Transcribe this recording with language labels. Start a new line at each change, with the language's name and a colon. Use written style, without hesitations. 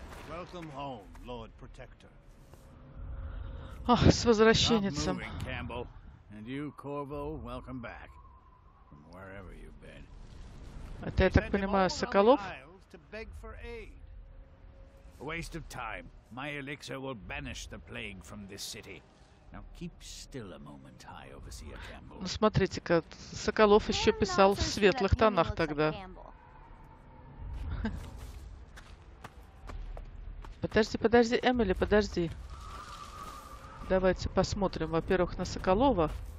English: Welcome home, Lord Protector.
Russian: Ох, с возвращенцем.
English: And you, Corvo, welcome back. From wherever you've been.
Russian: Это, я так понимаю, Соколов?
English: Waste of time. My elixir will banish the plague from this city. Now keep still a moment, High Overseer Campbell.
Russian: Ну смотрите-ка, Соколов еще писал в светлых тонах тогда. Подожди, подожди, Эмили, подожди. Давайте посмотрим, во-первых, на Соколова.